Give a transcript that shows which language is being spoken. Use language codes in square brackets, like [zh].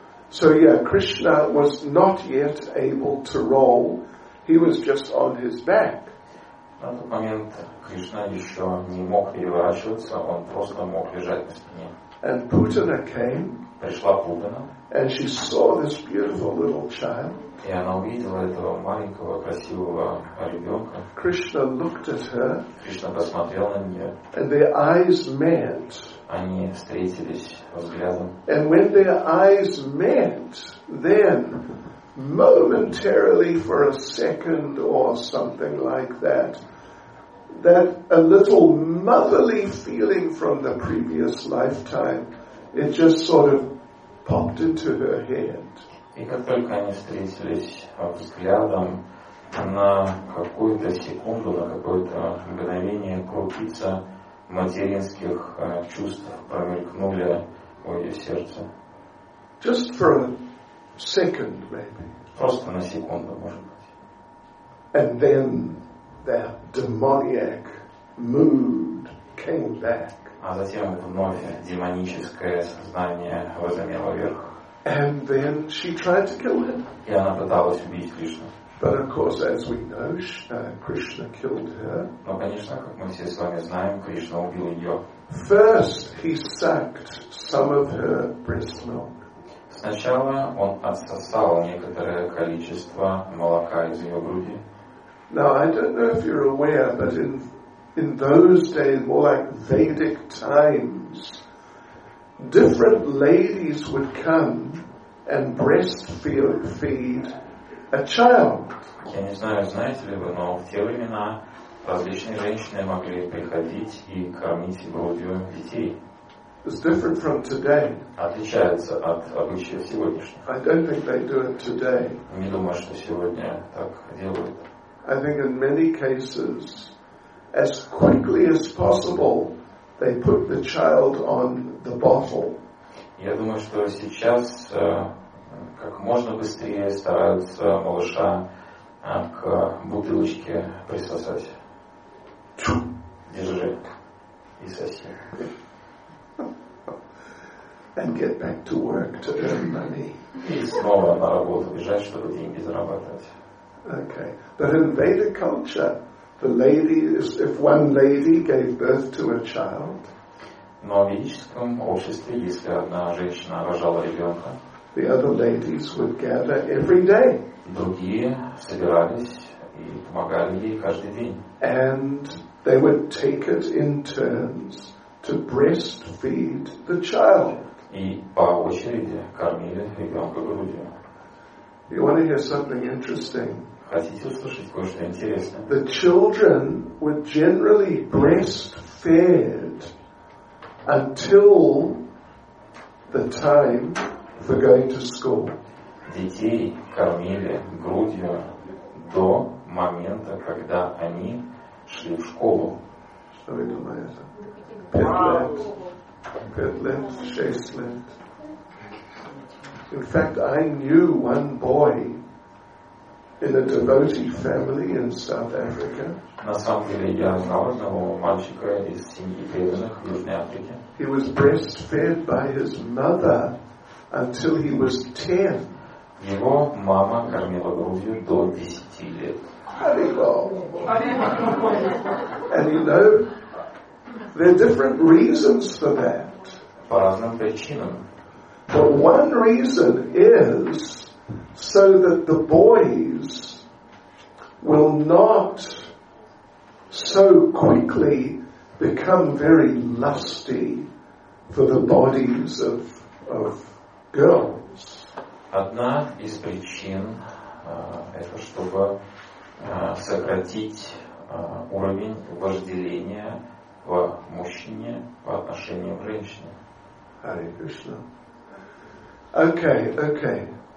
[en] So yeah, Krishna was not yet able to roll. He was just on his back. [ru] На тот момент Кришна еще не мог переворачиваться, он просто мог лежать на спине. [en] And Putana came. [ru] Пришла Путана. [en] And she saw this beautiful little child. [ru] И она увидела этого маленького красивого ребенка. [en] Krishna looked at her. [ru] Кришна посмотрел на нее. [en] And their eyes met. [ru] Они встретились взглядом. [en] And when their eyes met, then momentarily for a second or something like that, that a little motherly feeling from the previous lifetime, it just sort of popped into her head. [ru] И как только они встретились взглядом, на какую-то секунду, на какое-то мгновение крупица материнских чувств промелькнули в ее сердце. [en] Just for a second, maybe. [ru] Просто на секунду, может быть. [en] And then that demoniac mood came back. [ru] А затем вновь демоническое сознание возымело верх. [en] And then she tried to kill him. [ru] И она пыталась убить Кришну. [en] But of course, as we know, Krishna killed her. [ru] Но, конечно, как мы все с вами знаем, Кришна убил ее. [en] First, he sucked some of her breast milk. [ru] Сначала он отсосал некоторое количество молока из ее груди. [en] Now, I don't know if you're aware, but in those days, more like Vedic times, different ladies would come and breastfeed a child. [ru] Я не знаю, знаете ли вы, но в те времена различные женщины могли приходить и кормить грудью детей. [en] It's different from today. [ru] Отличается от обычая сегодняшних. [en] I don't think they do it today. [ru] Не думаю, что сегодня так делают. [en] I think in many cases, as quickly as possible, they put the child on the bottle. [ru] Я думаю, что сейчас как можно быстрее стараются малыша к бутылочке присосать. Держи и соси. [en] And get back to work to earn money. [ru] И снова на работу бежать, чтобы деньги зарабатывать. [en] Okay, but in Vedic culture, the lady, if one lady gave birth to a child, [ru] но в ведическом обществе, если одна женщина рожала ребенка, [en] the other ladies would gather every day. [ru] Другие собирались и помогали ей каждый день. [en] And they would take it in turns to breastfeed the child. [ru] И по очереди кормили ребенка грудью. [en] You want to hear something interesting? [ru] Хотите услышать кое-что интересное? [en] The children were generally breastfed until the time for going to school. [ru] Детей кормили грудью до момента, когда они шли в школу. Что вы думаете? 5 лет, 6 лет. [en] In fact, I knew one boy in a devotee family in South Africa. [ru] На самом деле я знал одного мальчика из семьи преданных в Южной Африке. [en] He was breastfed by his mother until he was 10. [ru] Его мама кормила грудью до 10 лет. [en] And you know, there are different reasons for that. [ru] По разным причинам. [en] But one reason is so that the boys will not so quickly become very lusty for the bodies of girls. [ru] Одна из причин это чтобы сократить уровень вожделения в мужчине по отношению к женщине. [en] Hare Krishna. Okay, okay.